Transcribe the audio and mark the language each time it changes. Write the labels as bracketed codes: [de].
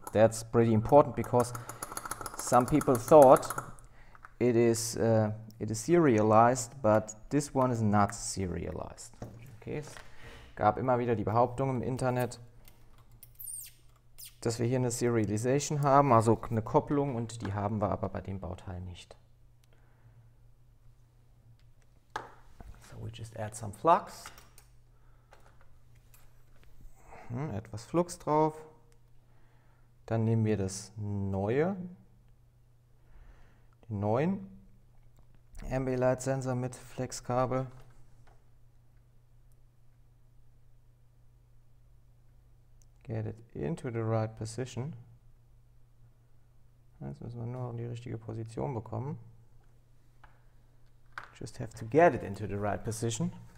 [en] That's pretty important because some people thought it is serialized, but this one is not serialized. [de] Okay, es gab immer wieder die Behauptung im Internet, dass wir hier eine Serialization haben, also eine Kopplung, und die haben wir aber bei dem Bauteil nicht. [en] So, we just add some flux. [de] Etwas Flux drauf. Dann nehmen wir das neue, den neuen Ambilight Sensor mit Flexkabel. [en] Get it into the right position. [de] Jetzt müssen wir nur noch die richtige Position bekommen. [en] Just have to get it into the right position.